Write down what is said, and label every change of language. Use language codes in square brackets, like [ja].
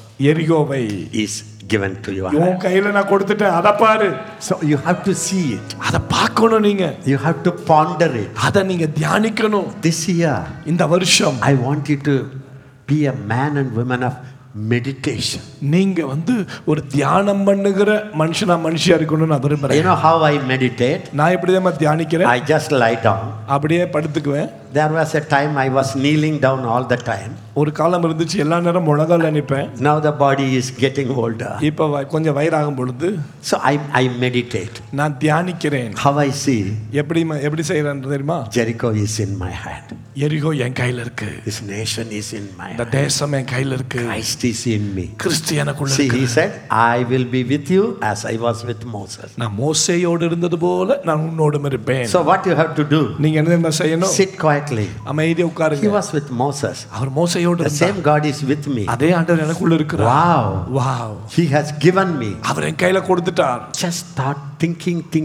[ta] எரிகோவை, [en] is given to you, [ta] யோ கையில நான் கொடுத்துட்டேன், அத பாரு. [en] So you have to see it, [ta] அத பார்க்கணும் நீங்க, [en] you have to ponder it, [ta] அத நீங்க தியானிக்கணும். [en] This year, [ta] இந்த வருஷம், [en] I want you to be a man and woman of meditation, [ta] நீங்க வந்து ஒரு தியானம் பண்ணுகிற மனுஷனா மனுஷியா இருக்கணும்னு நான் விரும்புறேன். [en] You know how I meditate? [ta] நான் எப்படி தான் தியானிக்கிறேன்? [en] I just lie down, [ta] அப்படியே படுத்துக்குவேன். [en] There was a time I was kneeling down all the time, [ta] ஒரு காலம் இருந்துச்சு எல்லா நேரம் முழங்கால நிப்பேன். [en] Now the body is getting older, [ta] இப்ப கொஞ்சம் வயிறாகும் பொழுது, [en] so I meditate, [ta] நான் தியானிக்கிறேன். [en] How I see, [ta] எப்படி செய்யறேன் தெரியுமா? [en] Jericho is in my hand, [ta] எரிகோ என் கையில இருக்கு, [en] this nation is in my [ta] hand, தேசம் என் கையில இருக்கு, [en] Christ is in me, [ta] கிறிஸ்து எனக்குள்ள இருக்கு. [en] See, he said, I will be with you as I was with Moses, [ta] நான் மோசேயோடு இருந்தது போல நான் உன்னோடும் இருப்பேன். [en] So what you have to do, [ta] நீங்க என்ன செய்யணும்? [en] Sit quietly, [ta] அமைதியா உட்காருங்க. [en] He was with Moses, [ta] அவர் மோசே, [en] the same God is with me, [ta] அதே ஆண்டவர் எனக்குள்ள இருக்கிறார். Wow, wow, [en] he has given me, [ta] அவர் என் கையில கொடுத்துட்டார். [en] Just start thinking,